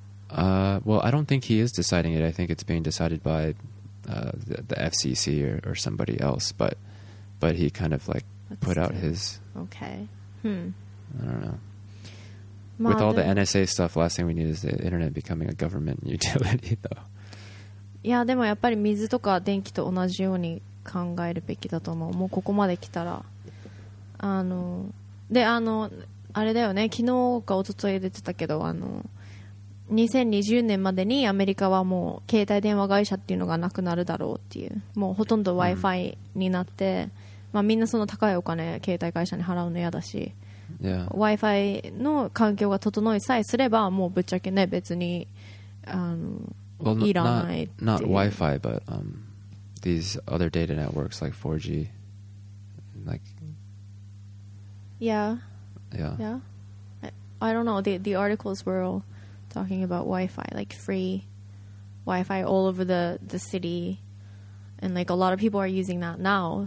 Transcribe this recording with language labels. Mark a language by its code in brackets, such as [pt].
[en] Well, I don't think he is deciding it. I think it's being decided by the FCC or somebody else. But he kind of like put out his... Okay. I don't know. With all the NSA stuff, last thing we need is the internet becoming a government utility, though. [ja] Yeah, でもやっぱり水とか電気と同じように考えるべきだと思う。もうここまで来たら。あの、で、あの、あれだよね。昨日か一昨日出てたけど、あの、2020年までにアメリカはもう携帯電話会社っていうのがなくなるだろうっていうもうほとんど Wi-Fi になって、まあ、みんなその高いお金携帯会社に払うの嫌だし、 [en] yeah. [ja] Wi-Fi の環境が整いさえすればもうぶっちゃけね別にあの、 [en] well, [ja] いらないっていう [en] not Wi-Fi but these other data networks like 4G like yeah. I don't know the articles were allTalking about Wi-Fi, like free Wi-Fi all over the city, and like a lot of people are using that now.